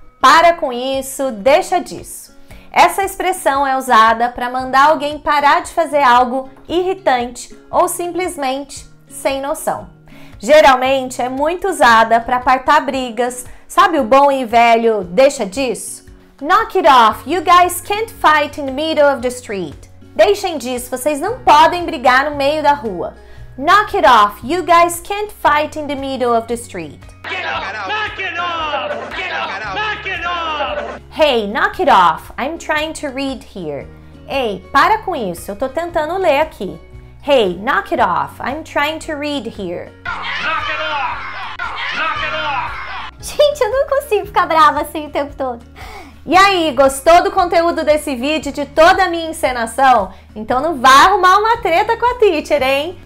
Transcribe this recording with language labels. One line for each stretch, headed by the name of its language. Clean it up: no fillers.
Portuguese: Para com isso, deixa disso. Essa expressão é usada para mandar alguém parar de fazer algo irritante ou simplesmente sem noção. Geralmente é muito usada para apartar brigas, sabe o bom e velho deixa disso?
English: Knock it off, you guys can't fight in the middle of the street.
Portuguese: Deixem disso, vocês não podem brigar no meio da rua.
English: Knock it off, you guys can't fight in the middle of the street. Hey, knock it off, I'm trying to read here.
Portuguese: Ei, para com isso, eu tô tentando ler aqui.
English: Hey, knock it off, I'm trying to read here. Knock it off, knock it off.
Portuguese: Gente, eu não consigo ficar brava assim o tempo todo. E aí, gostou do conteúdo desse vídeo, de toda a minha encenação? Então não vá arrumar uma treta com a teacher, hein?